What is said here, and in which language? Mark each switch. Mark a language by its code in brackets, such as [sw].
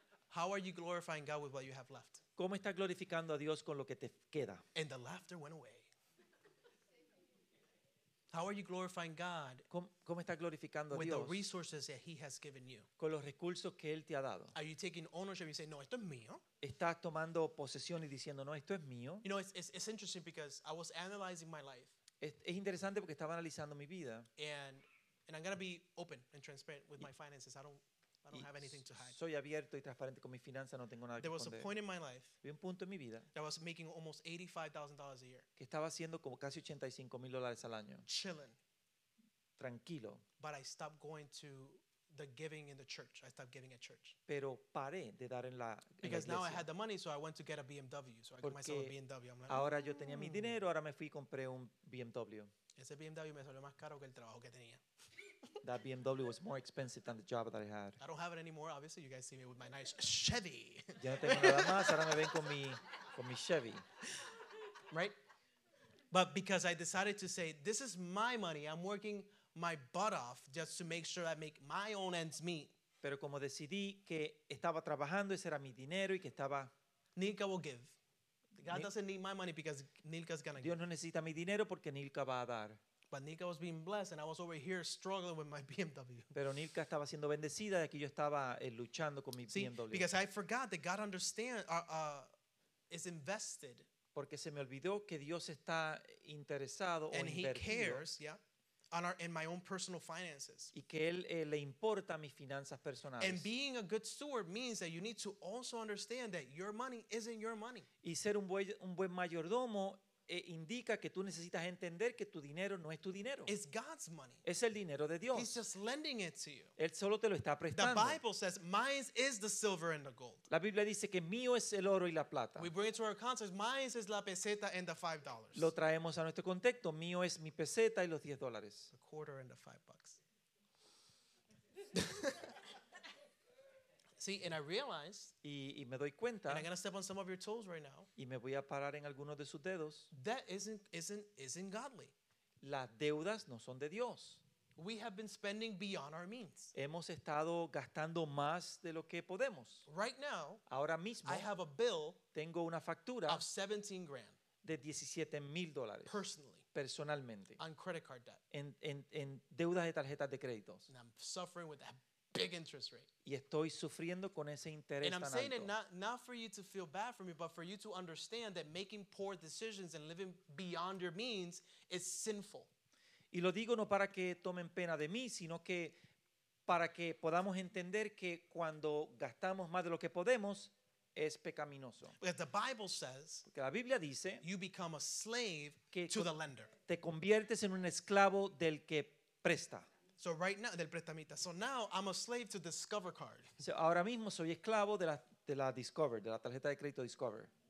[en] How are you glorifying God with what you have left? [es] ¿Cómo estás glorificando a Dios con lo que te queda? [en] And the laughter went away. How are you glorifying God? [es] ¿Cómo estás glorificando [en] with [es] a Dios [en] the resources that he has given you? [es] Con los recursos que él te ha dado. [en] Are you taking ownership? You say, no, [es] esto es mío. ¿Estás tomando posesión y diciendo, no, esto es mío? [en] You know, it's interesting because I was analyzing my life. [es] Es interesante porque estaba analizando mi vida. [en] And I'm going to be open and transparent with my finances. I don't have anything to hide. [es] Soy abierto y transparente con mi finanza, no tengo nada que esconder. [en] There was a point in my life. [es] Vi un punto en mi vida. [en] I was making almost $85,000 a year. [es] Que estaba haciendo como casi $85,000 al año. [en] Chilling. [es] Tranquilo. [en] But I stopped going to the giving in the church. I stopped giving at church. [es] Pero paré de dar en la iglesia. [en] Because now I had the money, so I went to get a BMW. So I [es] porque [en] got myself a BMW. I'm like, [es] ahora yo tenía mi dinero, ahora me fui y compré un BMW. Ese BMW me salió más caro que el trabajo que tenía. [en] That BMW was more expensive than the job that I had. I don't have it anymore, obviously. You guys see me with my nice Chevy. [es] Ya no tengo nada más, ahora me ven con mi Chevy. [en] Right? But because I decided to say, this is my money, I'm working my butt off just to make sure I make my own ends meet. [es] Pero como decidí que estaba trabajando, ese era mi dinero y que estaba... [en] Nilka will give. God doesn't need my money because Nilka's going to give. [es] Dios no necesita mi dinero porque Nilka va a dar. [en] But Nilka was being blessed and I was over here struggling with my BMW. [es] Pero Nilka estaba siendo bendecida y aquí yo estaba luchando con mi BMW. [en] See, because I forgot that God understands, is invested. [es] Porque se me olvidó que Dios está interesado [en] and [es] o invertido. [en] And he cares, yeah, in my own personal finances. [es] Y que él le importa mis finanzas personales. [en] And being a good steward means that you need to also understand that your money isn't your money. [es] Y ser un buen mayordomo indica que tú necesitas entender que tu dinero no es tu dinero. [en] It's God's money. [es] Es el dinero de Dios. [en] He's just lending it to you. [es] Él solo te lo está prestando. [en] The Bible says, mine is the silver and the gold. [es] La Biblia dice que mío es el oro y la plata. [en] We bring it to our context, mine is [es] la peseta [en] and the $5. [es] Lo traemos a nuestro contexto, mío es mi peseta y los $10. [en] The quarter and the $5. See, and I realize, [es] y me doy cuenta, [en] and I'm going to step on some of your toes right now, [es] y me voy a parar en algunos de sus dedos, [en] that isn't godly. [es] Las deudas no son de Dios. [en] We have been spending beyond our means. [es] Hemos estado gastando más de lo que podemos. [en] Right now, [es] ahora mismo, [en] I have a bill, [es] tengo una factura, [en] of $17,000, [es] de $17,000, [en] personally, on credit card debt, [es] en deudas de tarjetas de créditos. [en] And I'm suffering with that big interest rate. [es] Y estoy sufriendo con ese interés tan alto. And [en] I'm saying it not for you to feel bad for me, but for you to understand that making poor decisions and living beyond your means is sinful. [es] Y lo digo no para que tomen pena de mí, sino que para que podamos entender que cuando gastamos más de lo que podemos es pecaminoso. [en] Because the Bible says, [es] porque la Biblia dice, [en] you become a slave to the lender. [es] Te conviertes en un esclavo del que presta. [en] So right now, [es] del prestamita. [en] So now I'm a slave to Discover Card. [es] So ahora mismo soy esclavo de la Discover, de la tarjeta de crédito Discover.